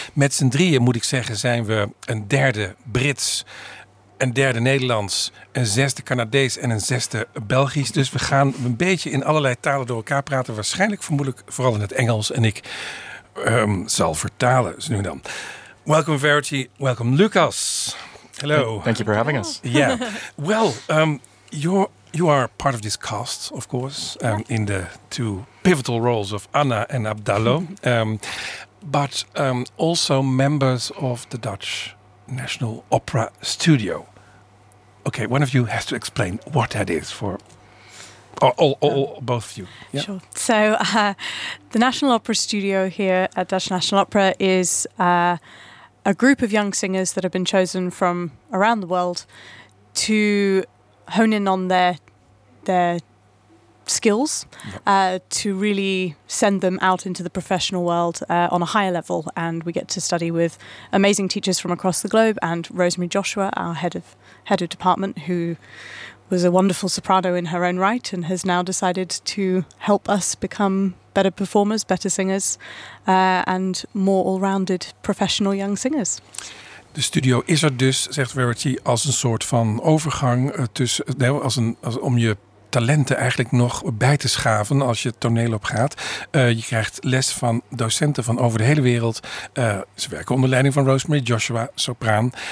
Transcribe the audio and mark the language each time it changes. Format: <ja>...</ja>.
<nl>Met z'n drieën, moet ik zeggen, zijn we een derde Brits, een derde Nederlands, een zesde Canadees en een zesde Belgisch. Dus we gaan een beetje in allerlei talen door elkaar praten. Waarschijnlijk, vermoedelijk, vooral in het Engels. En ik zal vertalen, dus nu dan.</nl> <en>Welcome Verity, welcome Lucas. Hello. Thank you for having us. Yeah. Well, you are part of this cast, of course, in the 2 pivotal roles of Anna and Abdallo, but also members of the Dutch National Opera Studio. Okay, one of you has to explain what that is for both of you. Yeah? Sure. So the National Opera Studio here at Dutch National Opera is a group of young singers that have been chosen from around the world to hone in on their skills, to really send them out into the professional world on a higher level. And we get to study with amazing teachers from across the globe, and Rosemary Joshua, our head of department, who was a wonderful soprano in her own right and has now decided to help us become better performers, better singers, and more all-rounded professional young singers.</en> <nl>De studio is er dus, zegt Verity, als een soort van overgang tussen, om je talenten eigenlijk nog bij te schaven als je toneel op gaat. Je krijgt les van docenten van over de hele wereld. Ze werken onder leiding van Rosemary Joshua, sopraan.</nl>